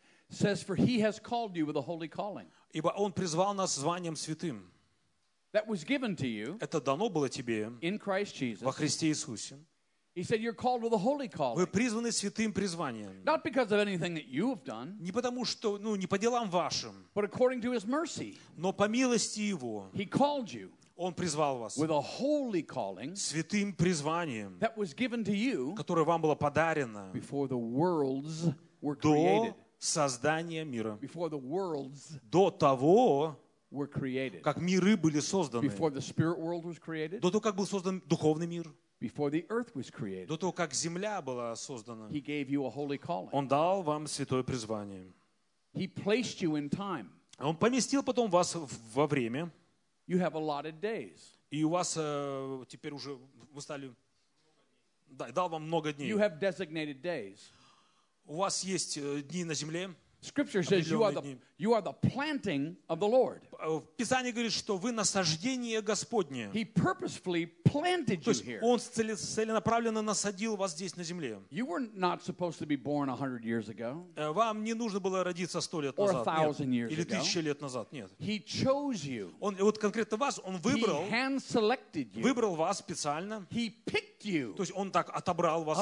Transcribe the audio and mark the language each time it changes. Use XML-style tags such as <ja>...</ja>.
<en>Says for he has called you with a holy calling.</en> <ru>Ибо он призвал нас званием святым.</ru> <en>That was given to you.</en> <ru>Это дано было тебе.</ru> <en>In Christ Jesus.</en> <ru>Во Христе Иисусе.</ru> <en>He said you're called with a holy calling.</en> <ru>Вы призваны святым призванием.</ru> <en>Not because of anything that you have done.</en> <ru>Не потому что, ну, не по делам вашим.</ru> <en>But according to his mercy.</en> <ru>Но по милости его.</ru> <en>He called you.</en> <ru>Он призвал вас</ru> <en>with a holy calling,</en> <ru>святым призванием,</ru> <en>that was given to you,</en> <ru>которое вам было подарено</ru> <en>before the worlds were</en> <ru>до</ru> <en>created.</en> <ru>создания мира.</ru> <en>Before the worlds</en> <ru>до того,</ru> <en>were created.</en> <ru>Как миры были созданы.</ru> <en>Before the spirit world was created.</en> <ru>До того, как был создан духовный мир.</ru> <en>Before the earth was created.</en> <ru>До того, как земля была создана.</ru> <en>He gave you a holy calling.</en> <ru>Он дал вам святое призвание.</ru> <en>He placed you in time.</en> <ru>Он поместил потом вас во время.</ru> <en>You have allotted days.</en> <ru>И у вас теперь уже вы стали да, дал вам много дней.</ru> <en>You have designated days.</en> <ru>У вас есть дни на земле.</ru> <en>Scripture says you are the planting of the Lord.</en> <ru>В Писании говорит, что вы насаждение Господне.</ru> <en>He purposefully planted you here.</en> <ru>Он целенаправленно насадил вас здесь на земле.</ru> <en>You were not supposed to be born 100 years ago.</en> <ru>Вам не нужно было родиться 100 лет назад.</ru> <en>Or 1,000 years ago.</en> <ru>Или 1,000 лет назад. Нет.</ru> <en>He chose you.</en> <ru>Он вот конкретно вас он выбрал.</ru> <en>He hand selected you.</en> <ru>Выбрал вас специально.</ru> <en>He picked you.</en> <ru>То есть он так отобрал вас</ru>